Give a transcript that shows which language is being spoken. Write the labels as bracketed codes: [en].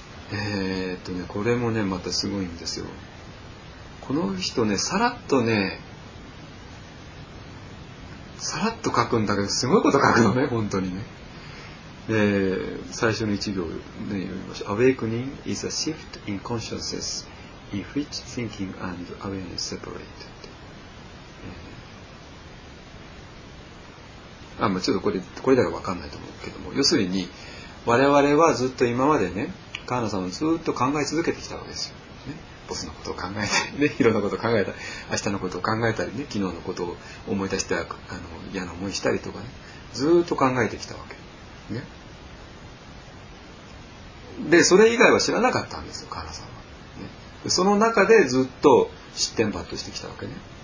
[ja] ね、これもねまたすごいんですよ、この人ね、さらっと書くんだけどすごいこと書くのね、本当にね、で最初の1行で読みました。 [en] Awakening is a shift in consciousness in which thinking and awareness separate. [ja] あ、ちょっとこれだけ分かんないと思うけども、要するに我々はずっと今までね、川野さんもずっと考え続けてきたわけですよ、ね、ボスのことを考えたりね、いろんなことを考えたり、明日のことを考えたりね、昨日のことを思い出して嫌な思いしたりとかね、ずっと考えてきたわけ、ね、でそれ以外は知らなかったんですよ、川野さんは、ね、その中でずっと失点バットしてきたわけね。